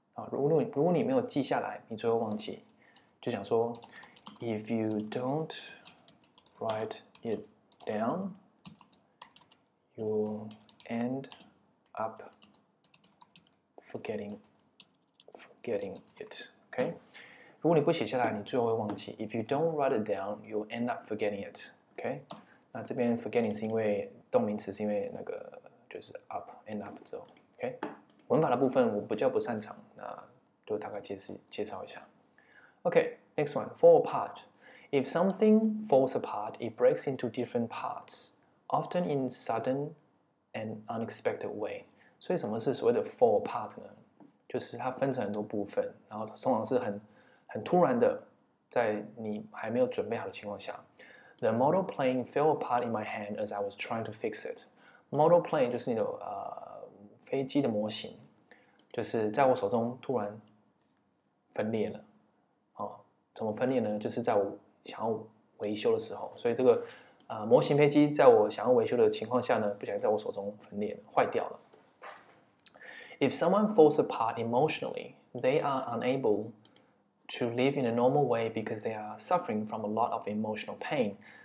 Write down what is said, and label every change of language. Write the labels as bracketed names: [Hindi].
[Chinese] 如果你没有记下来，你最后忘记，就想说 ， [English] if you don't write it down, you'll end up forgetting it. [Chinese] OK。如果你不写下来，你最后会忘记。 [English] If you don't write it down, you'll end up forgetting it. [Chinese] OK， 那这边 forgetting 是因为动名词，是因为那个就是 up end up 之后。 OK， 文法的部分我比较不擅长，那就大概介绍一下。 [English] OK， next one, fall apart. If something falls apart, it breaks into different parts, often in sudden and unexpected way. [Chinese] 所以什么是所谓的 fall apart 呢？就是它分成很多部分，然后通常是很突然的，在你还没有准备好的情况下 ， [English] the model plane fell apart in my hand as I was trying to fix it. [Chinese] Model plane 就是你的飞机的模型，就是在我手中突然分裂了。怎么分裂呢？就是在我想要维修的时候，所以这个模型飞机在我想要维修的情况下呢，不小心在我手中分裂了，坏掉了。 [English] If someone falls apart emotionally, they are unable to live in a normal way because they are suffering from a lot of emotional pain.